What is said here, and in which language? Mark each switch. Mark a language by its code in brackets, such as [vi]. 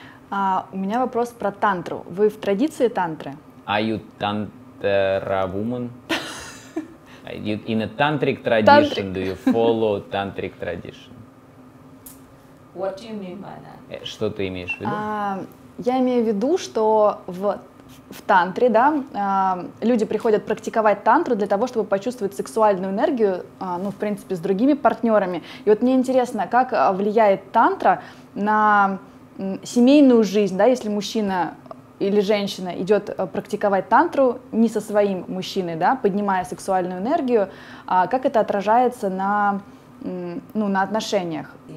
[ru] У меня вопрос про тантру. Вы в традиции тантры? [en] Are you tantra woman? In a tantric tradition, tantric. Do you follow tantric tradition? What do you mean by that? [ru] Что ты имеешь в виду? Я имею в виду, что в тантре, да, люди приходят практиковать тантру для того, чтобы почувствовать сексуальную энергию, ну, в принципе, с другими партнерами. И вот мне интересно, как влияет тантра на семейную жизнь, да, если мужчина или женщина идет практиковать тантру не со своим мужчиной, да, поднимая сексуальную энергию, как это отражается на, ну, на отношениях?